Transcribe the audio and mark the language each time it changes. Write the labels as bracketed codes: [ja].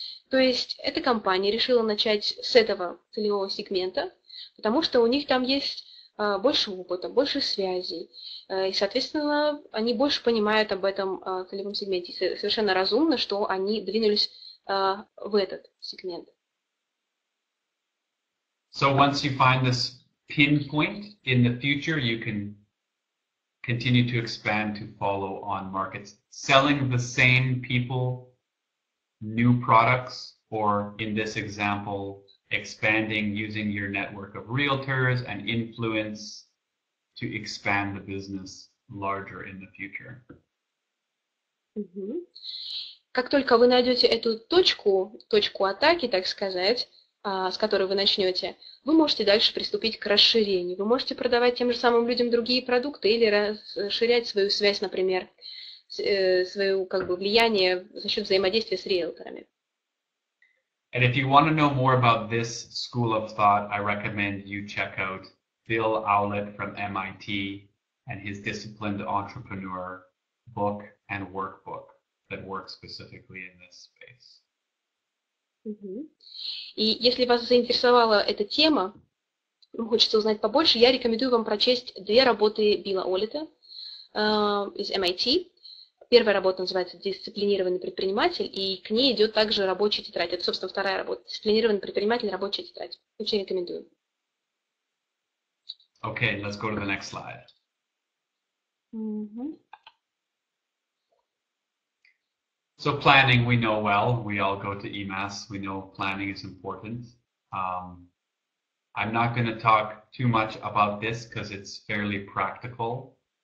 [ru] То есть эта компания решила начать с этого целевого сегмента, потому что у них там есть больше опыта, больше связей, и, соответственно, они больше понимают об этом целевом сегменте. Совершенно разумно, что они двинулись в этот сегмент. [en] So once you find this pinpoint in the future, you can continue to expand to follow on markets, selling the same people new products, or in this example, expanding using your network of realtors and influence to expand the business larger in the future. [ru] Как только вы найдете эту точку, точку атаки, так сказать, с которой вы начнете, вы можете дальше приступить к расширению. Вы можете продавать тем же самым людям другие продукты или расширять свою связь, например, свое как бы влияние за счет взаимодействия с риэлторами. [en] And if you want to know more about this school of thought, I recommend you check out Bill Owlett from MIT and his Disciplined Entrepreneur book and workbook that works specifically in this space. [ru] И если вас заинтересовала эта тема, хочется узнать побольше, я рекомендую вам прочесть две работы Билла Олита из MIT. Первая работа называется «Дисциплинированный предприниматель», и к ней идет также рабочая тетрадь. Это, собственно, вторая работа. «Дисциплинированный предприниматель. Рабочая тетрадь». Очень рекомендую. [en] Okay, let's go to the next slide. So planning, we know well. We all go to EMAS. We know planning is important. I'm not going to talk too much about this because it's fairly practical.